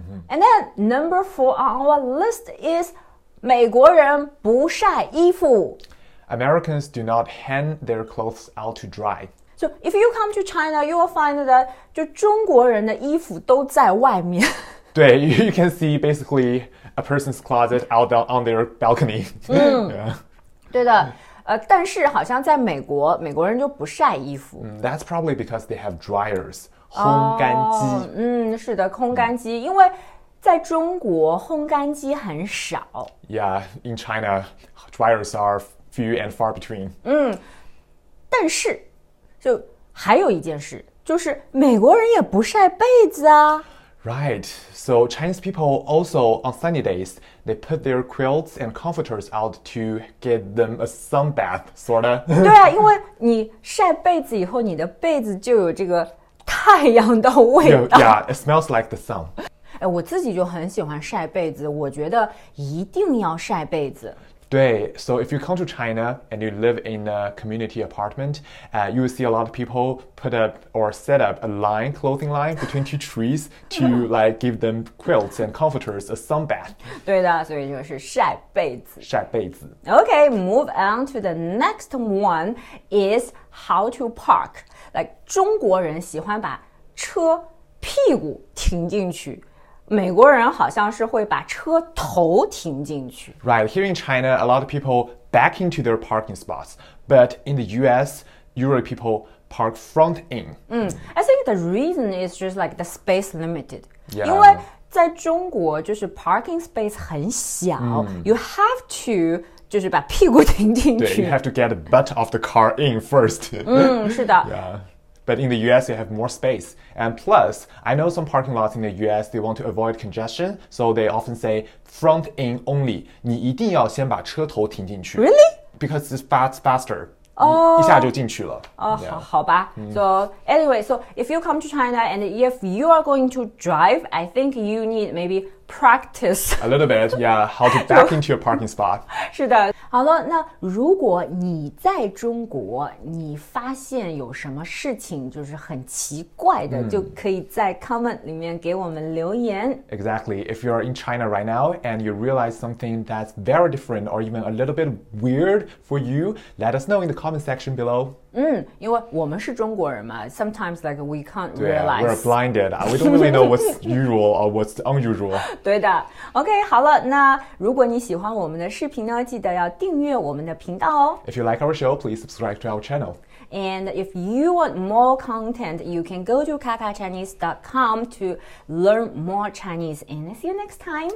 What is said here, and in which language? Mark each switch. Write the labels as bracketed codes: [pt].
[en] And then number four on our list is [zh] 美国人不晒衣服。 [en] Americans do not hang their clothes out to dry. So if you come to China, you will find that [zh] 就中国人的衣服都在外面。 [en] 对, you can see basically a person's closet out on their balcony. [zh] 对的，但是好像在美国，美国人就不晒衣服。 [en] That's probably because they have dryers, [zh] 烘干哦，机。是的，烘干机，因为在中国烘干机很少。 [en] Yeah, in China, dryers are few and far between. [zh] 但是就还有一件事，就是美国人也不晒被子啊。 [en] Right, so Chinese people also on sunny days they put their quilts and comforters out to give them a sun bath, sort [zh] 对 [en] of. [zh] 啊，因为你晒被子以后，你的被子就有这个太阳的味 [en] No, [zh] 道。 [en] yeah, it smells like the sun. [zh] 哎，我自己就很喜欢晒被子，我觉得一定要晒被子。 [en] 对, so if you come to China and you live in a community apartment, you will see a lot of people put up or set up a line, clothing line between two trees to like give them quilts and comforters a sun bath. [zh] 对的，所以就是晒被子。晒被子。 [en] Okay, move on to the next one is how to park. [zh] Like 中国人喜欢把车屁股停进去，美国人好像是会把车头停进去。 [en] Right, here in China, a lot of people back into their parking spots, but in the US, usually people park front in. I think the reason is just like the space limited. [zh] 因为 [en] Yeah. [zh] 在中国就是 [en] parking space [zh] 很小， [en] you have to [zh] 就是把屁股停进对， [en] you have to get the butt of the car in first. 是的。 Yeah. But in the US, you have more space. And plus, I know some parking lots in the US, they want to avoid congestion, so they often say front in only. [zh] 你一定要先把车头停进去。 [en] Really? Because it's faster. [zh] 一下就进去了。好吧。 [en] So anyway, so if you come to China and if you are going to drive, I think you need maybe practice. A little bit, yeah, how to back into your parking spot. [zh] 是的。好了，那如果你在中国，你发现有什么事情就是很奇怪的，就可以在 comment 里面给我们留言。 [en] Exactly. If you're in China right now and you realize something that's very different or even a little bit weird for you, let us know in the comment section below. [zh] 因为我们是中国人嘛， [en] sometimes like we can't [zh] 对啊， [en] we're realize. blinded. We don't really know what's usual or what's unusual. [zh] 对的。 OK，好了，那如果你喜欢我们的视频呢，记得要订阅我们的频道哦。 [en] If you like our show, please subscribe to our channel. And if you want more content, you can go to kakachinese.com to learn more Chinese. And see you next time.